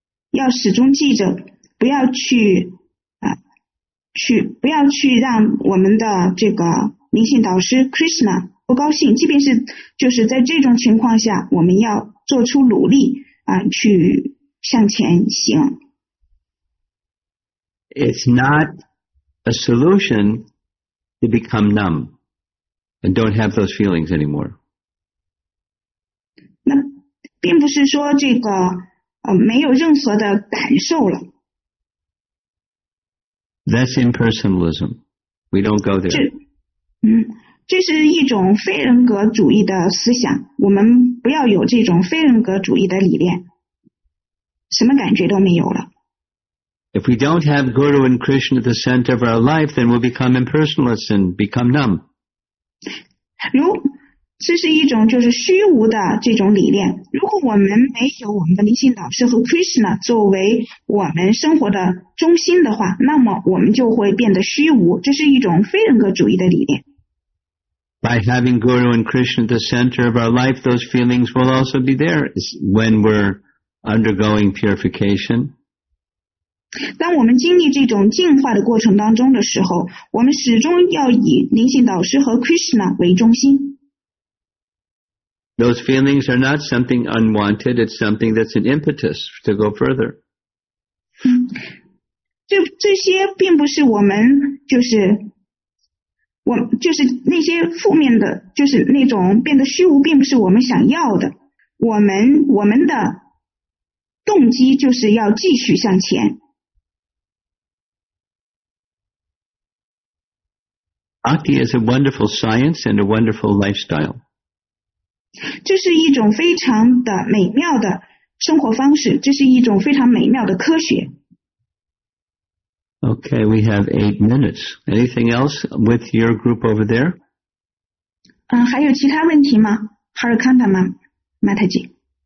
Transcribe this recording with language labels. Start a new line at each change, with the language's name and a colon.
Chinese: 要始终记着不要去不要去让我们的这个灵性导师 Krishna 不高兴，即便是就是在这种情况下我们要做出努力去向前行。
English: It's not a solution to become numb and don't have those feelings anymore.
Chinese: 那并不是说这个没有任何的感受了。
English: That's impersonalism. We don't go there.
Chinese: 这是一种非人格主义的思想，我们不要有这种非人格主义的理念，什么感觉都没有了。
English: If we don't have Guru and Krishna at the center of our life, then we'll become impersonalists and become numb.
Chinese: 这是一种就是虚无的这种理念。如果我们没有我们的灵性导师和 Krishna 作为我们生活的中心的话，那么我们就会变得虚无。这是一种非人格主义的理念。
English: By having Guru and Krishna at the center of our life, those feelings will also be there when we're undergoing purification.
Chinese: 当我们经历这种进化的过程当中的时候，我们始终要以灵性导师和 Krishna 为中心。
English: Those feelings are not something unwanted, it's something that's an impetus to go further.
Chinese: 这些并不是我们就是那些负面的，就是那种变得虚无，并不是我们想要的。我们的动机就是要继续向前。
English: Bhakti is a wonderful science and a wonderful lifestyle.
Chinese: 这是一种非常的美妙的生活方式，这是一种非常美妙的科学。
English: Okay, we have 8 minutes. Anything else with your group over there?
Chinese: 还有其他问题吗？哈尔康达吗？马太吉？